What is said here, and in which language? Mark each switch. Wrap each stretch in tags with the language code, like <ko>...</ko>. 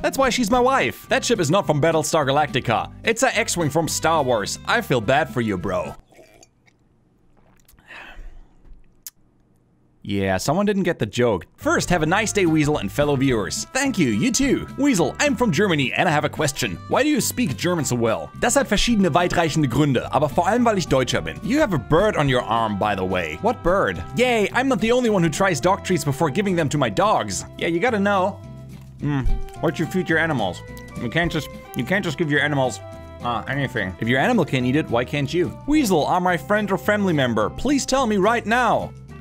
<en>That's why she's my wife. That ship is not from Battlestar Galactica. It's an X-Wing from Star Wars. I feel bad for you, bro. Yeah, someone didn't get the joke. First, have a nice day, Weasel, and fellow viewers. Thank you, you too. Weasel, I'm from Germany, and I have a question. Why do you speak German so well?</en> <de>Das hat verschiedene weitreichende Gründe, aber vor allem, weil ich Deutscher bin.</de> <en>You have a bird on your arm, by the way. What bird? Yay, I'm not the only one who tries dog treats before giving them to my dogs. Yeah, you gotta know. What's your future animals? You can't just give your animals... anything. If your animal can't eat it, why can't you? Weasel, are my friend or family member. Please tell me right now.</en>